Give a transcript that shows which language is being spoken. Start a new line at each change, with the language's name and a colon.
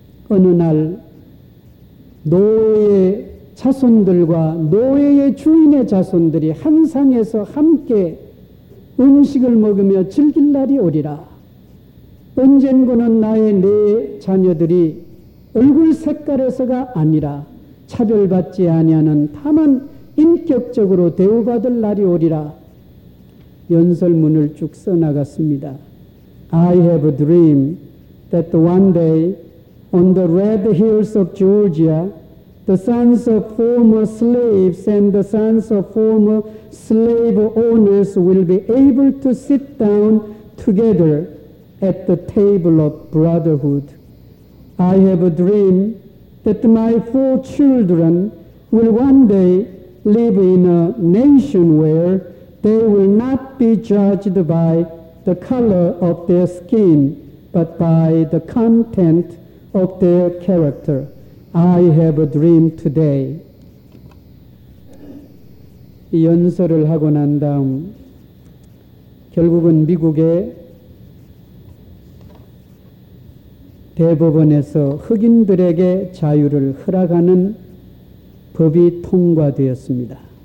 Korean: 어느 날 노예의 자손들과 노예의 주인의 자손들이 한 상에서 함께 음식을 먹으며 즐길 날이 오리라. 언젠가는 나의 내 자녀들이 얼굴 색깔에서가 아니라 차별받지 아니하는 다만 인격적으로 대우받을 날이 오리라. 연설문을 쭉 써나갔습니다.
English: I have a dream that one day on the red hills of Georgia the sons of former slaves and the sons of former slave owners will be able to sit down together at the table of brotherhood. I have a dream that my four children will one day live in a nation where they will not be judged by the color of their skin, but by the content of their character. I have a dream today.
Korean: 이 연설을 하고 난 다음 결국은 미국의 대법원에서 흑인들에게 자유를 허락하는 법이 통과되었습니다.